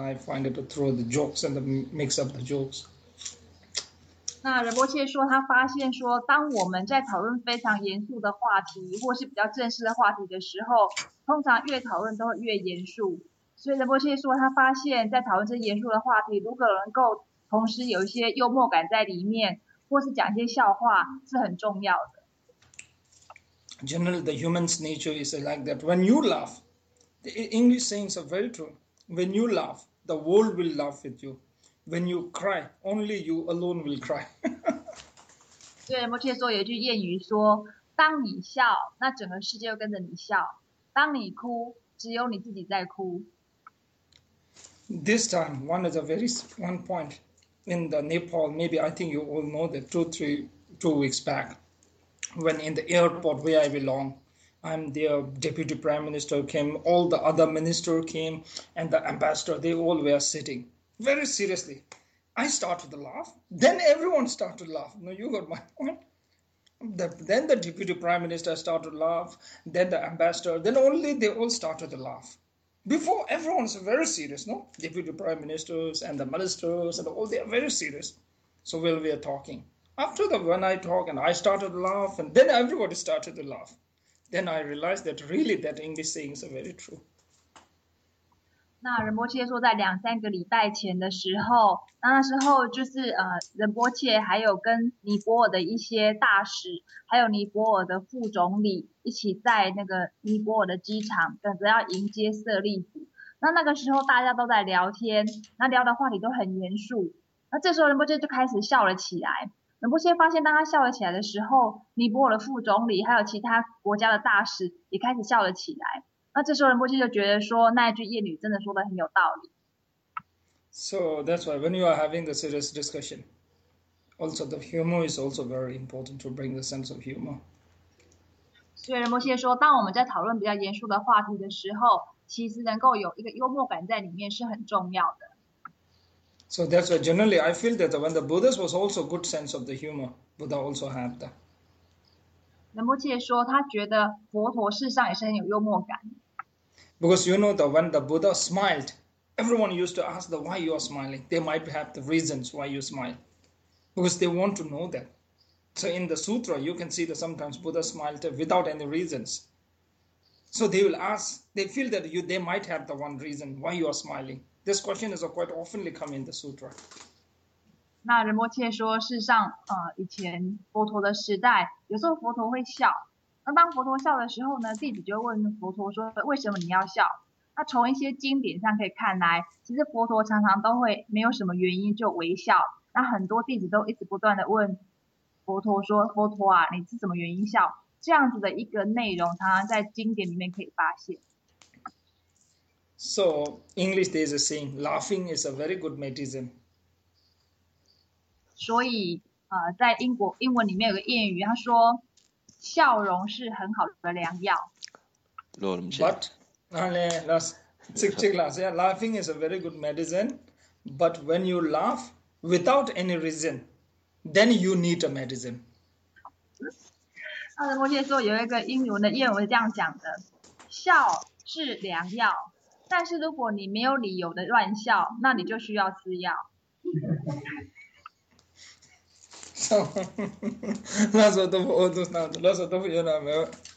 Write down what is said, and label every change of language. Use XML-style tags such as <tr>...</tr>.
<en>I find it through the jokes and the mix up the jokes.</en> <zh>那仁波切说，他发现说，当我们在讨论非常严肃的话题，或是比较正式的话题的时候，通常越讨论都会越严肃。所以仁波切说，他发现，在讨论这些严肃的话题，如果能够同时有一些幽默感在里面，或是讲一些笑话，是很重要的。</zh> <en>Generally, the human's nature is like that. When you laugh, the English sayings are very true. When you laugh, the world will laugh with you. When you cry, only you alone will cry.</en> <zh>对，摩羯座有一句谚语说："当你笑，那整个世界就跟着你笑；当你哭，只有你自己在哭。</zh> <en>This time, one is a very one point in the Nepal. Maybe I think you all know that 2 weeks back, when in the airport where I belong, I'm their deputy prime minister came, all the other minister came, and the ambassador. They all were sitting very seriously. I started to laugh. Then everyone started to laugh. No, you got my point. Then the deputy prime minister started to laugh. Then the ambassador. Then only they all started to laugh. Before everyone's very serious, no? Deputy Prime Ministers and the ministers and all, they are very serious. So while we are talking, after the when I talk and I started to laugh, and then everybody started to laugh. Then I realized that really that English sayings are very true.</en> <zh>那仁波切说，在2、3个礼拜前的时候，那时候就是仁波切还有跟尼泊尔的一些大使，还有尼泊尔的副总理一起在那个尼泊尔的机场等着要迎接舍利子。那个时候大家都在聊天，那聊的话题都很严肃。那这时候仁波切就开始笑了起来。仁波切发现，当他笑了起来的时候，尼泊尔的副总理还有其他国家的大使也开始笑了起来。那这时候，仁波切就觉得说，那一句谚语真的说得很有道理。</zh> <en>So that's why when you are having the serious discussion, also the humor is also very important to bring the sense of humor.</en> <zh>所以，仁波切说，当我们在讨论比较严肃的话题的时候，其实能够有一个幽默感在里面是很重要的。</zh> <en>So that's why generally I feel that when the Buddhas was also good sense of the humor, Buddha also had that.</en> <zh>仁波切说，他觉得佛陀事实上也是很有幽默感。</zh> <en>Because you know that when the Buddha smiled, everyone used to ask the why you are smiling. They might have the reasons why you smile, because they want to know that. So in the sutra, you can see that sometimes Buddha smiled without any reasons. So they will ask. They feel that they might have the one reason why you are smiling. This question is quite oftenly come in the sutra.</en> <zh>那仁波切说，事实上，以前佛陀的时代，有时候佛陀会笑，那当佛陀笑的时候呢，弟子就问佛陀说，为什么你要笑？那从一些经典上可以看来，其实佛陀常常都会没有什么原因就微笑。那很多弟子都一直不断的问佛陀说，佛陀啊，你是什么原因笑？这样子的一个内容，常常在经典里面可以发现。</zh> <en>So, English, there is a saying, laughing is a very good medicine.</en> <zh>所以，在英文里面有个谚语，他说，笑容是很好的良药。 Lo, lam che.</zh> <en>But, laughing is a very good medicine, but when you laugh without any reason, then you need a medicine.</en> <zh>那摩羯座有一个英文的谚语是这样讲的：笑是良药，但是如果你没有理由的乱笑，那你就需要吃药。 So, 那时候都不，我都那时候都不原来没有。</zh>